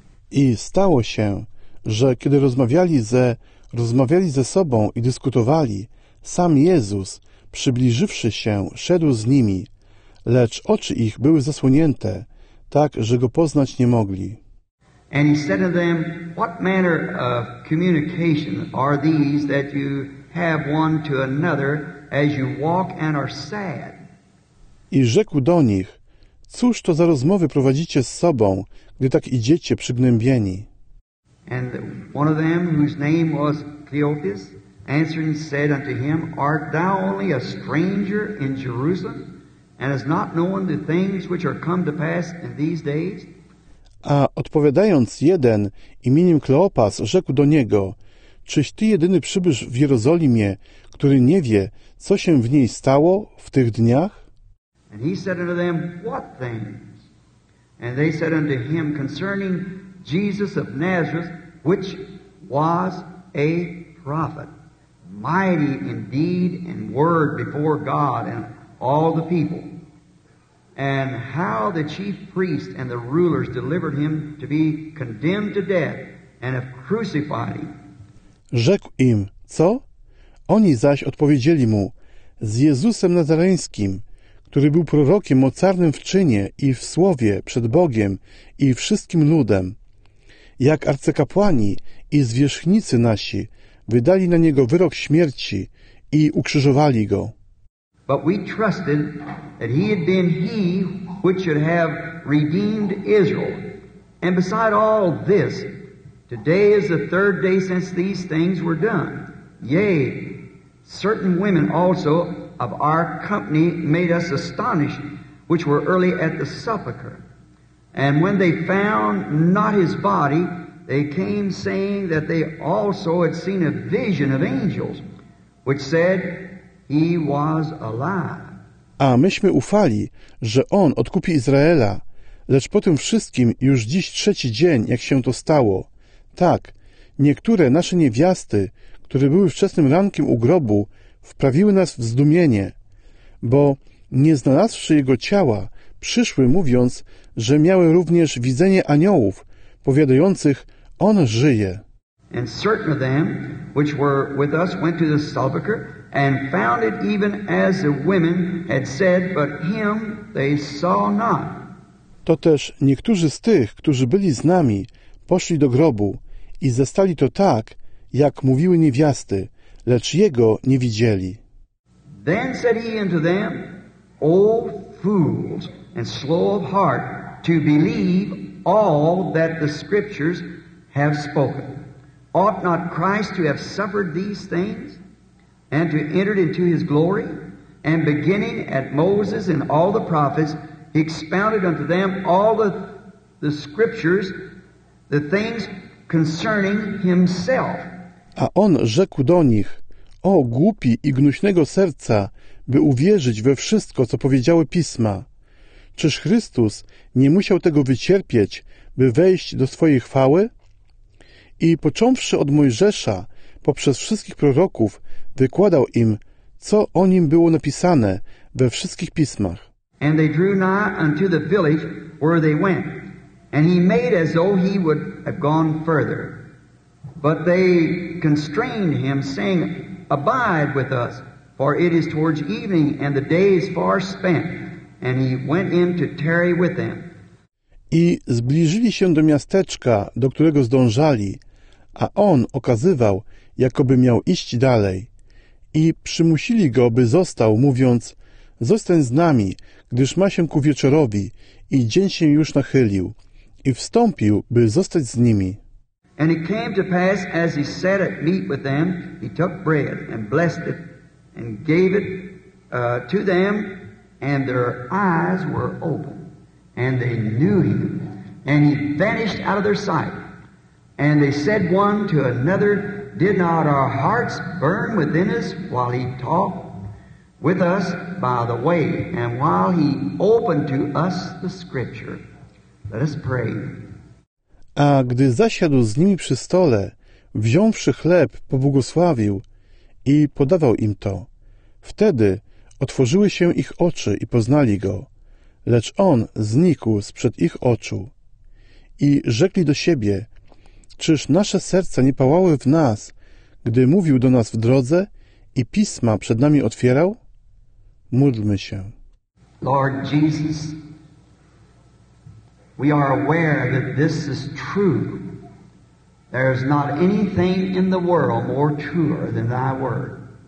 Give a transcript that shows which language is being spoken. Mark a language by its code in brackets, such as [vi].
[pl] I stało się, że kiedy rozmawiali ze sobą i dyskutowali, sam Jezus, przybliżywszy się, szedł z nimi, lecz oczy ich były zasłonięte, tak że go poznać nie mogli. [en] And he said to them, what manner of communication are these that you have one to another as you walk and are sad? [pl] I rzekł do nich, cóż to za rozmowy prowadzicie z sobą, gdy tak idziecie przygnębieni? [en] And one of them, whose name was Cleopas, answering said unto him, art thou only a stranger in Jerusalem, and hast not known the things which are come to pass in these days? [pl] A odpowiadając jeden, imieniem Kleopas, rzekł do niego, czyś ty jedyny przybysz w Jerozolimie, który nie wie, co się w niej stało w tych dniach? [en] And he said unto them, what things? And they said unto him, concerning Jesus of Nazareth, which was a prophet, mighty in deed and word before God and all the people. And how the chief priests and the rulers delivered him to be condemned to death and have crucified him. [pl] Rzekł im, co? Oni zaś odpowiedzieli mu, z Jezusem Nazareńskim, który był prorokiem mocarnym w czynie i w słowie przed Bogiem i wszystkim ludem, jak arcykapłani i zwierzchnicy nasi wydali na niego wyrok śmierci i ukrzyżowali go. [en] But we trusted that he had been he which should have redeemed Israel. And beside all this, today is the third day since these things were done. Yea, certain women also of our company made us astonished, which were early at the sepulchre. And when they found not his body, they came saying that they also had seen a vision of angels, which said, he was alive. [pl] A myśmy ufali, że on odkupi Izraela, lecz po tym wszystkim już dziś trzeci dzień, jak się to stało. Tak, niektóre nasze niewiasty, które były wczesnym rankiem u grobu, wprawiły nas w zdumienie, bo nie znalazłszy jego ciała, przyszły mówiąc, że miały również widzenie aniołów, powiadających, on żyje. [en] And certain of them, which were with us, went to the sepulchre, and found it even as the women had said, but him they saw not. [pl] Toteż niektórzy z tych, którzy byli z nami, poszli do grobu i zastali to tak, jak mówiły niewiasty, lecz jego nie widzieli. [en] Then said he unto them, O fools, and slow of heart, to believe all that the scriptures have spoken. Ought not Christ to have suffered these things? And to enter into his glory, and beginning at Moses and all the prophets, he expounded unto them all the scriptures, the things concerning himself. [pl] A on rzekł do nich, o głupi i gnuśnego serca, by uwierzyć we wszystko, co powiedziały Pisma. Czyż Chrystus nie musiał tego wycierpieć, by wejść do swojej chwały? I począwszy od Mojżesza, poprzez wszystkich proroków, wykładał im, co o nim było napisane we wszystkich pismach. [en] And they drew nigh unto the village where they went. And he made as though he would have gone further. But they constrained him, saying, abide with us, for it is towards evening, and the day is far spent. And he went in to tarry with them. [pl] I zbliżyli się do miasteczka, do którego zdążali, a on okazywał, jakoby miał iść dalej. I przymusili go, by został, mówiąc, zostań z nami, gdyż ma się ku wieczorowi i dzień się już nachylił. I wstąpił, by zostać z nimi. [en] And it came to pass, as he sat at meat with them, he took bread and blessed it and gave it to them, and their eyes were open, and they knew him, and he vanished out of their sight. And they said one to another, did not our hearts burn within us while he talked with us by the way, and while he opened to us the scripture? Let us pray. [pl] A gdy zasiadł z nimi przy stole, wziąwszy chleb, pobłogosławił i podawał im to. Wtedy otworzyły się ich oczy i poznali go, lecz on znikł sprzed ich oczu. I rzekli do siebie, czyż nasze serca nie pałały w nas, gdy mówił do nas w drodze i pisma przed nami otwierał? Módlmy się. [en] Lord Jesus, we are aware that this is true. There is not anything in the world more truer than thy word.